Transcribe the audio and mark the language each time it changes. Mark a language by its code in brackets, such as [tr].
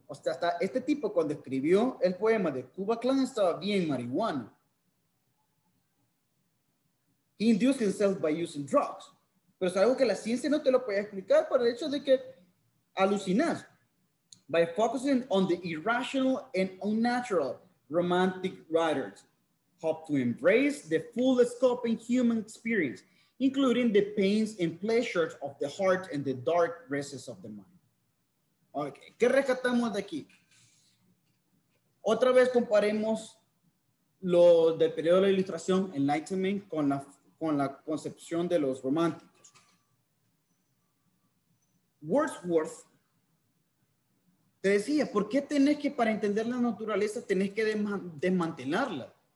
[es] O sea, hasta este tipo cuando escribió el poema de Kubla Klan estaba bien marihuana. [en] He induced himself by using drugs. [es] Pero es algo que la ciencia no te lo puede explicar por el hecho de que alucinas. [en] By focusing on the irrational and unnatural, romantic writers hope to embrace the full scope in human experience, including the pains and pleasures of the heart and the dark recesses of the mind. [es] Okay, ¿qué rescatamos de aquí? Otra vez comparemos lo del periodo de la Ilustración, Enlightenment, con la concepción de los románticos. Wordsworth te decía, ¿por qué tenés que, para entender la naturaleza, tenés que desmantelarla?